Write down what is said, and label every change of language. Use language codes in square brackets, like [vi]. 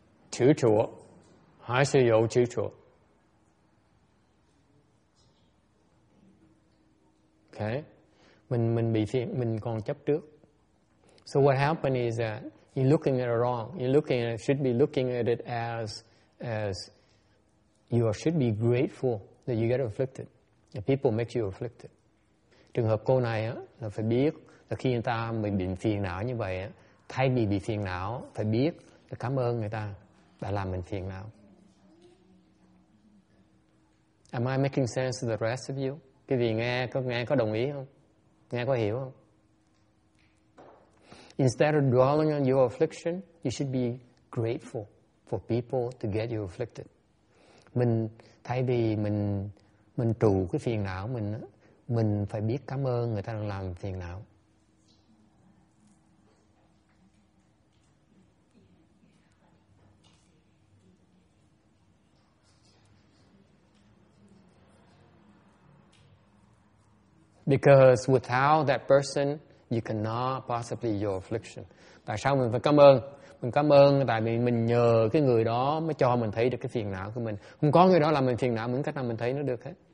[vi] Chữ chủa. Hãy sử dụng chữ chủa. Ok. Mình bị phiền, mình còn chấp trước. [en] So what happened is that you're looking at it wrong. You're looking at it, should be looking at it as you are, should be grateful that you get afflicted. The people make you afflicted. [vi] Trường hợp cô này á, là phải biết là khi người ta mình bị phiền não như vậy á, thay vì bị phiền não, phải biết là cảm ơn người ta đã làm mình phiền não. [en] Am I making sense to the rest of you? [vi] Cái gì nghe có đồng ý không? Nghe có hiểu không? [en] Instead of dwelling on your affliction, you should be grateful for people to get you afflicted. [vi] Mình thay vì mình trụ cái phiền não mình phải biết cảm ơn người ta đang làm phiền não. [en] Because without that person, you cannot possibly your affliction. [vi] Tại sao mình phải cảm ơn? Mình cảm ơn tại vì mình nhờ cái người đó mới cho mình thấy được cái phiền não của mình. Không có người đó làm mình phiền não, mình cách nào mình thấy nó được hết.